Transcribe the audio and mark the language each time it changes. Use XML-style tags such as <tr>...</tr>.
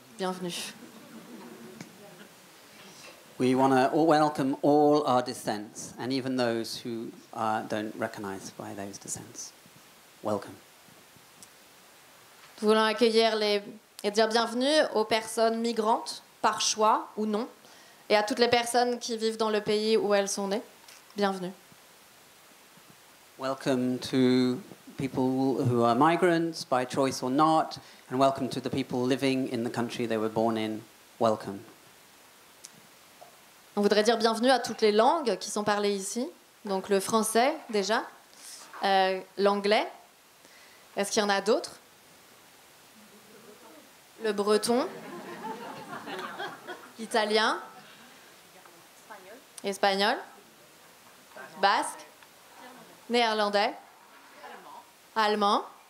<fr>Bienvenue.</fr> <en>We want to welcome all our descents, and even those who don't recognize by those descents. Welcome.</en> <fr>Nous voulons accueillir et dire bienvenue aux personnes migrantes, par choix ou non, et à toutes les personnes qui vivent dans le pays où elles sont nées. Bienvenue.</fr> <en>Welcome to people who are migrants, by choice or not, and welcome to the people living in the country they were born in. Welcome.</en> <fr>On voudrait dire bienvenue à toutes les langues qui sont parlées ici, donc le français déjà, l'anglais. Est-ce qu'il y en a d'autres? Le breton, l'italien, espagnol, basque, néerlandais, allemand.</fr>